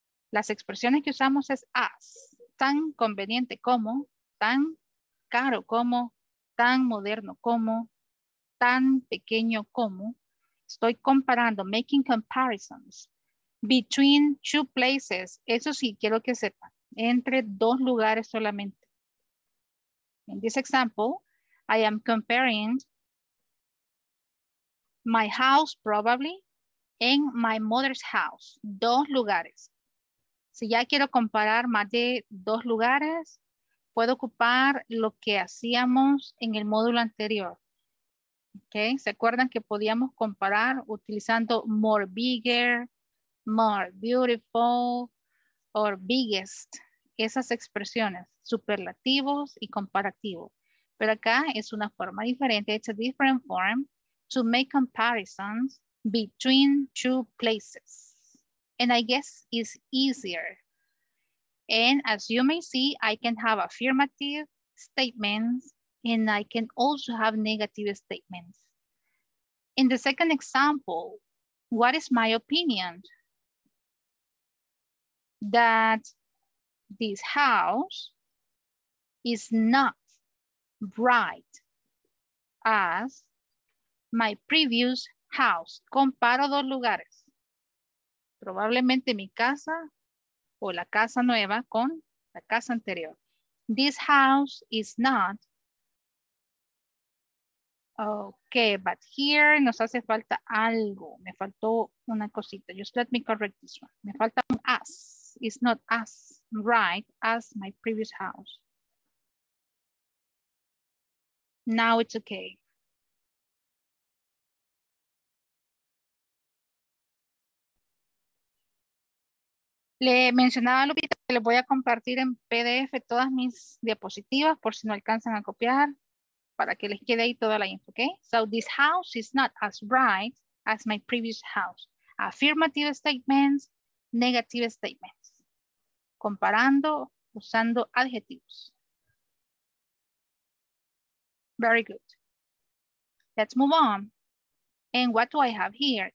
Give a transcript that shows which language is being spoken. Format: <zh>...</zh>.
<es>Las expresiones que usamos es as, tan conveniente como, tan caro como, tan moderno como, tan pequeño como. Estoy comparando,</es> <en>making comparisons,</en> <es>between two places. Eso sí, quiero que sepan, entre dos lugares solamente.</es> <en>In this example, I am comparing my house, probably, and my mother's house.</en> <es>Dos lugares. Si ya quiero comparar más de dos lugares, puedo ocupar lo que hacíamos en el módulo anterior. Okay? ¿Se acuerdan que podíamos comparar utilizando</es> <en>more bigger, more beautiful, or biggest?</en> <es>Esas expresiones, superlativos y comparativo. Pero acá es una forma diferente.</es> <en>It's a different form to make comparisons between two places. And I guess it's easier. And as you may see, I can have affirmative statements and I can also have negative statements. In the second example, what is my opinion? That this house is not bright as my previous house.</en> <es>Comparo dos lugares. Probablemente mi casa o la casa nueva con la casa anterior.</es> <en>This house is not. Okay, but here</en> <es>nos hace falta algo. Me faltó una cosita.</es> <en>Just let me correct this one.</en> <es>Me falta un as.</es> <en>Is not as bright as my previous house. Now it's okay.</en> <es>Le mencionaba a Lupita que les voy a compartir en PDF todas mis diapositivas por si no alcanzan a copiar para que les quede ahí toda la info, okay?</es> <en>So this house is not as bright as my previous house. Affirmative statements, negative statements.</en> <es>Comparando, usando adjetivos.</es> <en>Very good. Let's move on. And what do I have here?</en>